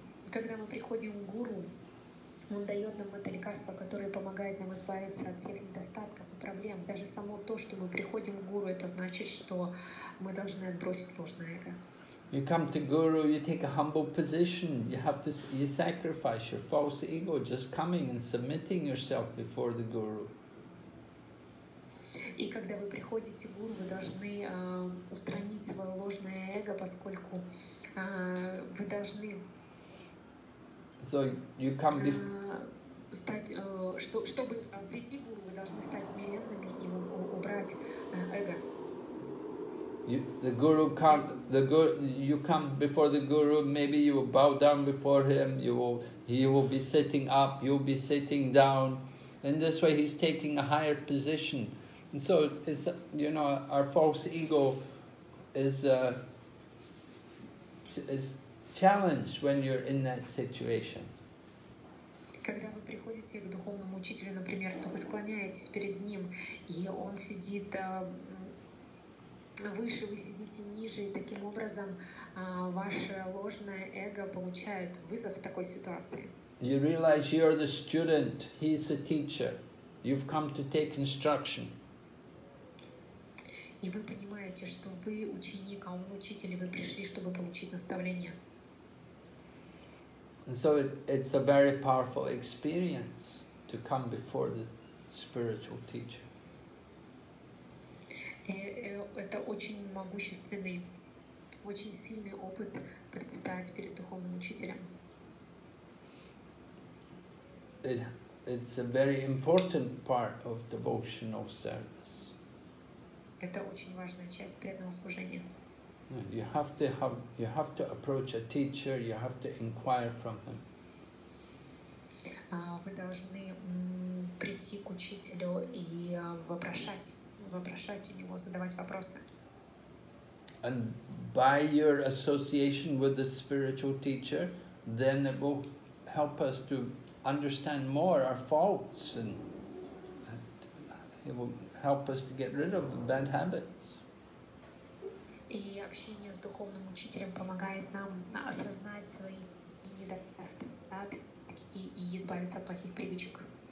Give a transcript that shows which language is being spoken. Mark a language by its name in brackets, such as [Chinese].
[Russian] Когда мы приходим к Гуру, он дает нам это лекарство, которое помогает нам избавиться от всех недостатков и проблем. Даже само то, что мы приходим к Гуру, это значит, что мы должны отбросить ложное эго. [English] You come to Guru, you take a humble position. You have to, you sacrifice your false ego just coming and submitting yourself before the Guru. [Russian] И когда вы приходите к Гуру, вы должны устранить свое ложное эго, поскольку вы должны. [English] So you come to. [Russian] Чтобы прийти к Гуру, вы должны стать смиренными и убрать эго. [English] You come before the Guru. Maybe you will bow down before him. He will be sitting up. You'll be sitting down. In this way, he's taking a higher position. And so it's, you know, our false ego is challenged when you're in that situation. [Russian] Когда вы приходите к духовному учителю, например, то вы склоняетесь перед ним, и он сидит. Выше вы сидите, ниже, и таким образом ваше ложное эго получает вызов в такой ситуации. [English] You realize you are the student, he's a teacher. You've come to take instruction. [Russian] И вы понимаете, что вы ученик, а он учитель, и вы пришли, чтобы получить наставление. [English] And so it's a very powerful experience to come before the spiritual teacher. [Russian] Это очень могущественный, очень сильный опыт предстать перед духовным учителем. [English] It's a very important part of devotional service. [Russian] Это очень важная часть преданного служения. [English] You have to approach a teacher, you have to inquire from him. [Russian] Вы должны прийти к учителю и вопрошать у него, задавать вопросы. [English] And by your association with the spiritual teacher, then it will help us to understand more our faults, and it will help us to get rid of bad habits. [Russian] И общение с духовным учителем помогает нам осознать свои недостатки и избавиться от плохих привычек.